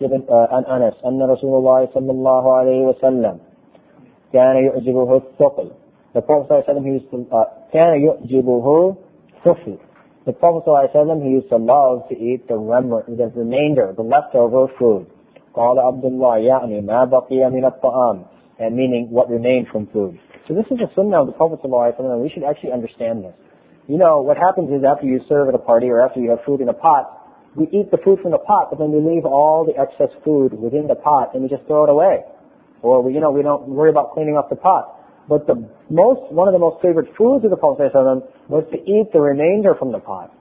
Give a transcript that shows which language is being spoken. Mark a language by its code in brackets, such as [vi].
[ar] عن أنس أن رسول الله صلى الله عليه وسلم كان يعجبه الثقل. [en] The Prophet [ar] صلى الله عليه وسلم كان يعجبه الثقل. [en] The Prophet [ar] صلى الله عليه وسلم, [en] he used to love to eat the remnant, the remainder, the leftover food. [ar] قال عبد الله يعني ما بقي من الطعام, [en] and meaning what remained from food. So this is a sunnah of the Prophet [ar] صلى الله عليه وسلم, [en] and we should actually understand this. You know, what happens is after you serve at a party or after you have food in a pot, we eat the food from the pot, but then we leave all the excess food within the pot and we just throw it away. Or we, you know, we don't worry about cleaning up the pot. But one of the most favorite foods of the Prophet [ar] صلى الله عليه وسلم [en] was to eat the remainder from the pot.